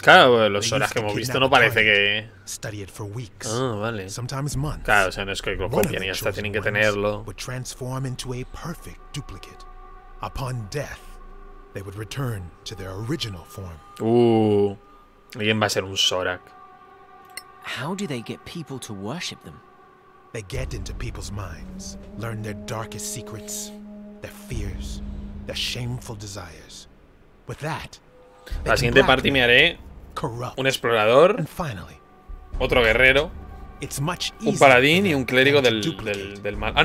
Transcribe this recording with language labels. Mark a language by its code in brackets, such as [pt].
[es] Claro, los horas que hemos visto no parece que... [en] Study it for weeks. [es] Ah, vale. [en] Sometimes months. [es] Claro, o sea, no es que lo copien y hasta tienen que tenerlo. [en] Would transform into a perfect duplicate. Upon death, they would return to their original form. [es] Alguien va a ser un Sorak. [en] How do they get people to worship them? They get into people's minds, learn their darkest secrets, their fears, their shameful desires. With that, [es] la siguiente parte me haré un explorador, otro guerrero, un paladín y un clérigo del mal.